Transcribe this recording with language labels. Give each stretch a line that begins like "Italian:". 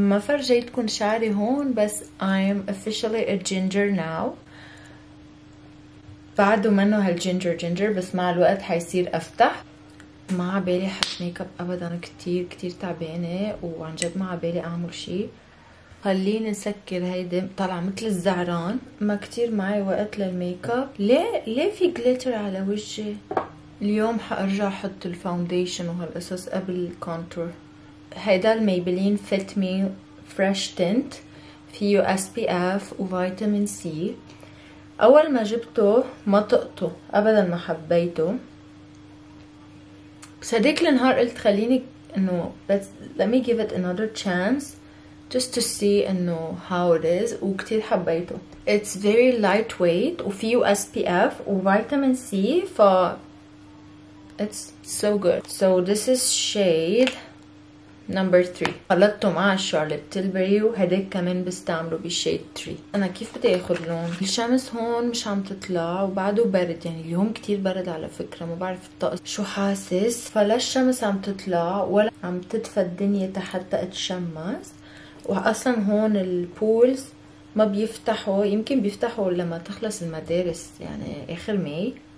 Arabic: جيتكم شعري هون، بس
English: I'm officially a ginger now.
Arabic: بعده منه هالجينجر جينجر، بس مع الوقت حيصير افتح. ما عبالي حط ميك اب ابدا، كتير كتير تعبانة، وعن جد ما عبالي اعمل شي. خليني نسكر هيدي، طلع مثل الزعران، ما كتير معي وقت للميك اب. ليه في جليتر على وجهي؟ اليوم حارجع احط الفاونديشن وهالقصص قبل الكونتور. هيدا الميبلين فيت مي فريش تنت، فيه SPF وفيتامين سي. اول ما جبته ما طقته ابدا، ما حبيته، بس هديك النهار قلت خليني انه بس
English: let me give it another chance just to see
Arabic: انه
English: how it is،
Arabic: وكتير حبيته.
English: It's very lightweight
Arabic: وفيه SPF وفيتامين سي، ف
English: it's so good. So this is shade number 3.
Arabic: خلطته مع شارلوت تلبري، وهداك كمان بستعمله بشيد 3. انا كيف بدي اخذ لون؟ الشمس هون مش عم تطلع وبعده برد، يعني اليوم كتير برد على فكره، ما بعرف الطقس شو حاسس، فلا الشمس عم تطلع ولا عم تدفى الدنيا حتى اتشمس، واصلا هون البولز ما بيفتحوا، يمكن بيفتحوا لما تخلص المدارس يعني اخر ماي.